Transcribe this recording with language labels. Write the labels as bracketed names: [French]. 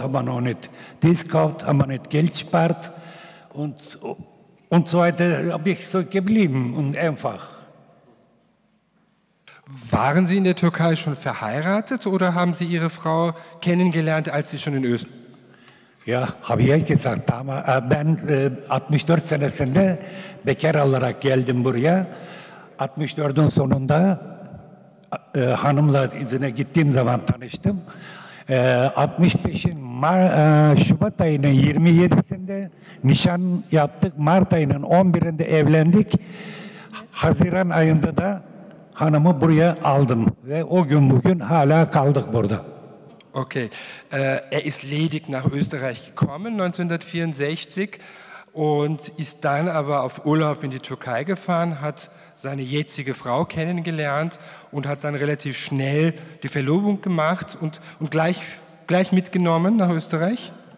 [German] Haben wir noch nicht das gekauft? Haben wir nicht Geld gespart? Und so weiter habe ich so geblieben und einfach. Waren Sie in der Türkei schon verheiratet oder haben Sie Ihre Frau kennengelernt, als Sie schon in Österreich? Ja, habe ich gesagt, damals, bin 14 Jahre Bäcker [Turkish] olarak geldim buraya. 64'ün sonunda hanımla izine gittiğim zaman tanıştım. 65'in Şubat ayının 27'sinde nişan yaptık. Mart ayının 11'inde evlendik. Haziran ayında da hanımı buraya aldım. Ve o gün bugün hala kaldık burada. [German] Okay, er ist ledig nach Österreich gekommen 1964 und ist dann aber auf Urlaub in die Türkei gefahren, hat seine jetzige Frau kennengelernt und hat dann relativ schnell die Verlobung gemacht und gleich mitgenommen nach Österreich?